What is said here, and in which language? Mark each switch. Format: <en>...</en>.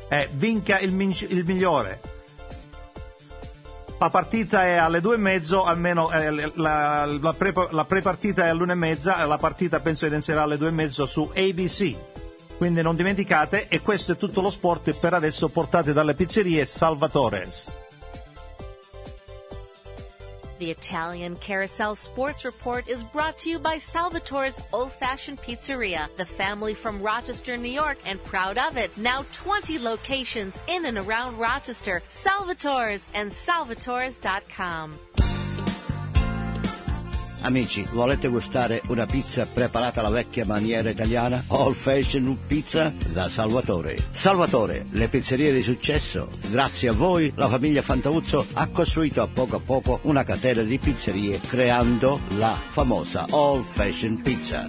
<it>Vinca il migliore. La partita è alle 2:30, almeno la pre-partita è all'1:30, la partita penso inizierà alle 2:30 su ABC. Quindi non dimenticate, e questo è tutto lo sport per adesso, portate dalle pizzerie Salvatore's.</it> <en>The Italian Carousel Sports Report is brought to you by Salvatore's Old Fashioned Pizzeria, the family from Rochester, New York, and proud of it. Now 20 locations in and around Rochester. Salvatore's and Salvatore's.com.</en> <it>Amici, volete gustare una pizza preparata alla vecchia maniera italiana? Old Fashioned Pizza da Salvatore. Salvatore, le pizzerie di successo. Grazie a voi, la famiglia Fantauzzo ha costruito a poco una catena di pizzerie, creando la famosa Old Fashioned Pizza.</it>